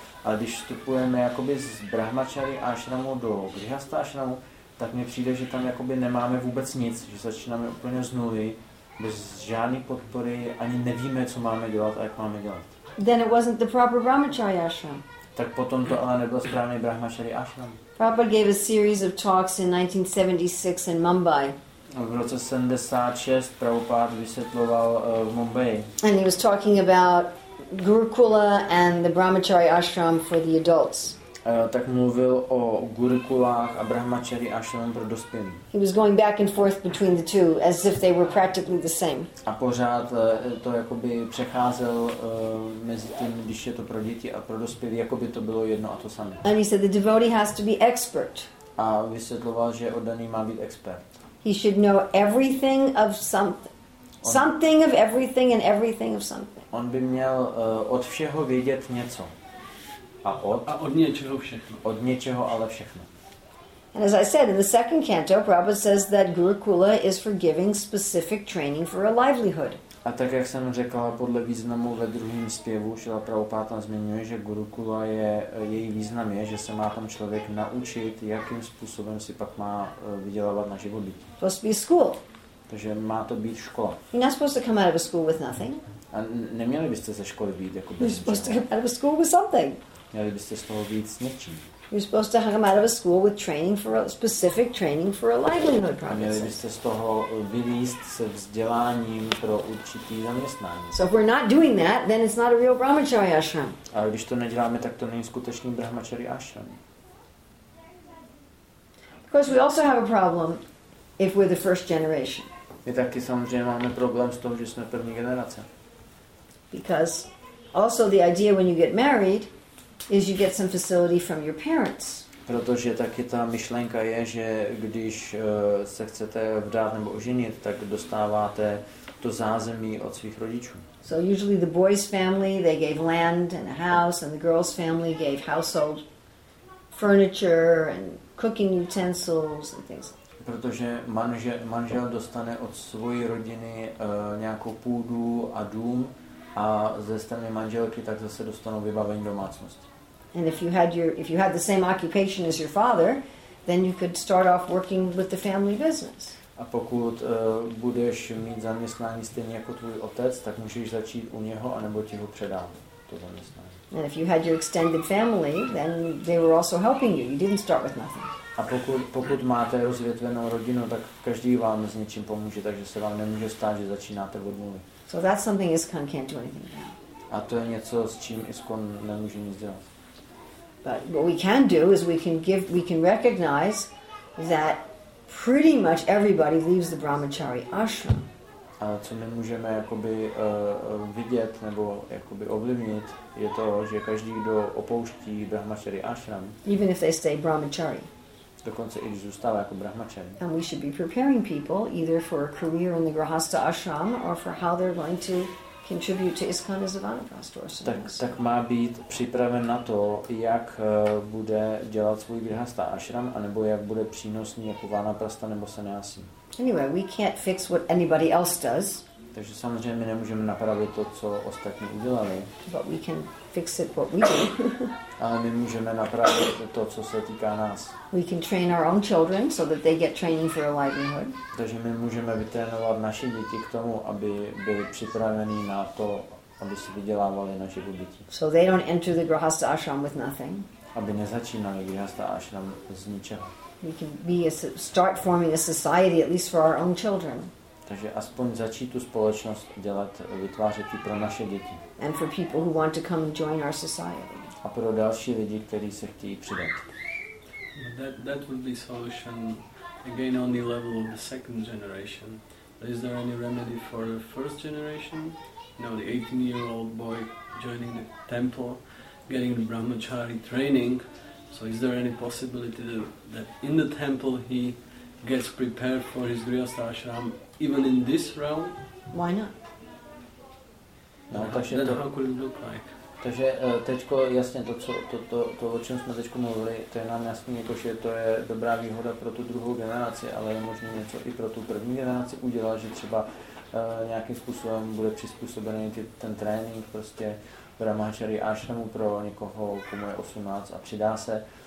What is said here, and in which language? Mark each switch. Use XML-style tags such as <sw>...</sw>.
<cs>Ale když vstupujeme jakoby z Brahmachary ášramu do Grihastha ášramu, tak mi přijde, že tam jakoby nemáme vůbec nic, že začínáme úplně z nuly, bez žádné podpory, ani nevíme, co máme dělat a jak máme dělat.</cs> <en>Then it wasn't the proper Brahmacharya ashram.</en> <cs>Tak potom to ale nebyl správný Brahmacharya ashram.</cs> <en>Prabhupada gave a series of talks in 1976 in Mumbai.</en> <cs>V roce 76 Prabhupada vysvětloval v Mumbai.</cs> <en>And he was talking about Gurukula and the Brahmacharya ashram for the adults.</en> <cs>Tak mluvil o gurukulách a Brahmacharya ashram pro dospělé.</cs> <en>He was going back and forth between the two as if they were practically the same.</en> <cs>A pořád to jakoby přecházel mezi tím, když je to pro děti a pro dospělé, jakoby to bylo jedno a to samé.</cs> <en>And he said the devotee has to be expert.</en> <cs>A vysvětloval, že oddaný má být expert.</cs> <en>He should know everything of something of everything and everything of something.</en> <cs>On by měl od všeho vědět něco. A od něčeho všechno. Od něčeho, ale všechno.</cs> <en>And as I said, in the second canto, Prabhupada says that Gurukula is for giving specific training for a livelihood.</en> <cs>A tak, jak jsem řekl, podle významu ve druhém zpěvu, Šila Prabhupada tam zmiňuje, že Gurukula je, její význam je, že se má tam člověk naučit, jakým způsobem si pak má vydělávat na život bytí.</cs> <en>Supposed to be school.</en> <cs>Takže má to být škola.</cs> <en>You're not supposed to come out of a school with nothing.</en> <cs>A neměli byste ze školy být jako bez něčeho.</cs> <en>You're supposed to come out of a school with something.</en> <cs>Měli byste z toho být s něčím.</cs> <en>You're supposed to come out of a school with training for a specific training for a livelihood.</en> <cs>Měli byste z toho vylíst se vzděláním pro určitý zaměstnání.</cs> <en>So if we're not doing that, then it's not a real Brahmacharya ashram.</en> <cs>A když to neděláme, tak to není skutečný Brahmacharya ashram.</cs> <en>Of course, we also have a problem if we're the first generation.</en> <cs>My taky samozřejmě máme problém s tím, že jsme první generace.</cs> <en>Because also the idea when you get married is you get some facility from your parents.</en> <cs>Protože taky ta myšlenka je, že když se chcete vdát nebo oženit, tak dostáváte to zázemí od svých rodičů.</cs> <en>So usually the boy's family, they gave land and a house, and the girl's family gave household furniture and cooking utensils and things.</en> <cs>Protože manžel dostane od svojí rodiny nějakou půdu a dům a ze strany manželky tak zase dostanou vybavení domácnosti.</cs> <en>And if you had the same occupation as your father, then you could start off working with the family business.</en> <cs>A pokud budeš mít zaměstnání stejně jako tvůj otec, tak můžeš začít u něho anebo ti ho předám to zaměstnání.</cs> <en>And if you had your extended family, then they were also helping you. You didn't start with nothing.</en> <cs>A pokud máte rozvětvenou rodinu, tak každý vám s něčím pomůže, takže se vám nemůže stát, že začínáte od nuly.</cs> <en>So that's something ISKCON can't do anything about.</en> <cs>A to je něco, s čím ISKCON nemůže nic dělat.</cs> <en>But what we can do is we can recognize that pretty much everybody leaves the Brahmacharya ashram.</en> <cs>A co my můžeme jakoby vidět nebo jakoby ovlivnit, je to, že každý, kdo opouští Brahmacharya ashram,</cs> <en>even if they stay Brahmacharya,</en> <cs>dokonce i když zůstává jako Brahmacharya,</cs> <en>and we should be preparing people either for a career in the Grihastha ashram or for how they're going to contribute to ISKCON as a vanaprastha or something.</en> <cs>Tak má být připraven na to, jak bude dělat svůj grihastha ashram, anebo jak bude přínosný jako vanaprastha nebo sanyasi.</cs> <en>Anyway, we can't fix what anybody else does.</en> <cs>Takže samozřejmě my nemůžeme napravit to, co ostatní udělali.</cs> <en>But we can fix it what we do.</en> <cs>Ale my můžeme napravit to, co se týká nás.</cs> <en>We can train our own children so that they get training for a livelihood.</en> <cs>Takže my můžeme vytrénovat naše děti k tomu, aby byli připraveni na to, aby si vydělávali na život bytí.</cs> <en>So they don't enter the grihastha ashram with nothing.</en> <cs>Aby nezačínali grihastha ashram z ničeho.</cs> <en>we can be a, start forming a society at least for our own children.</en> <cs>Takže aspoň začít tu společnost dělat, vytvářet ji pro naše děti.</cs> <en>And for people who want to come and join our society.</en> <cs>A pro další lidi, kteří se chtějí přidat.</cs> <en>That would be solution again on the level of the second generation. Is there any remedy for the first generation? You know, the 18-year-old boy joining the temple, getting the brahmachari training. So is there any possibility that in the temple he gets prepared for his grihastha ashram even in this realm? Why not? No, how could it look like?</en> <cs>Takže teďko jasně to, o čem jsme teď mluvili, to je nám jasný, že to je dobrá výhoda pro tu druhou generaci, ale je možné něco i pro tu první generaci udělat, že třeba nějakým způsobem bude přizpůsobený ten trénink prostě brahmachari ashramu pro někoho, komu je 18 a přidá se.</cs>